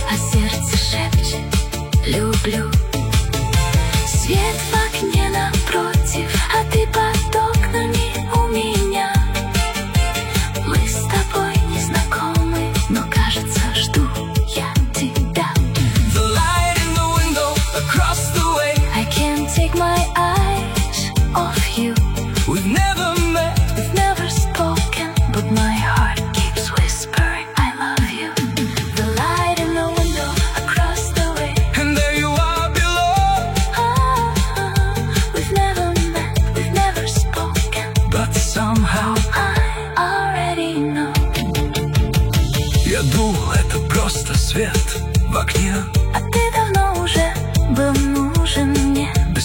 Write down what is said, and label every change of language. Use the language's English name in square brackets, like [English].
[Russian] а сердце шепчет: люблю. Свет в окне напротив, а ты под окнами у меня. Мы с тобой не знакомы, но кажется, жду я тебя. [English] The light in the window across the way, I can't take my eyes off you. We've never met, we've never spoken, but my heart keeps whispering I love you. The light in the window across the way, and there you are below. We've never met, we've never spoken, but somehow I already know. [Russian] Я думал, это просто свет в окне, а ты давно уже был нужен мне.